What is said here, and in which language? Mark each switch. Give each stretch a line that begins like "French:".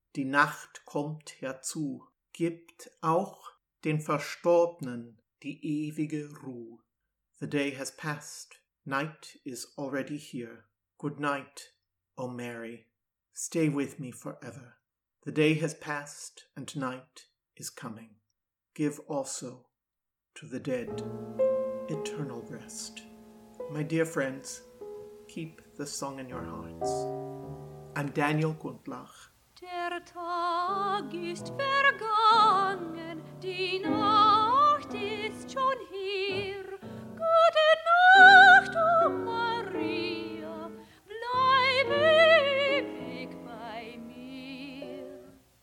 German: Die Nacht kommt herzu, gibt auch den Verstorbenen die ewige Ruhe.
English: The day has passed, night is already here. Good night, O Mary, stay with me forever. The day has passed and night is coming. Give also to the dead eternal rest. My dear friends, keep the song in your hearts. I'm Daniel Gundlach.
German: Der Tag ist vergangen, die Nacht ist schon hier. Gute Nacht, O Maria, bleib ewig bei mir.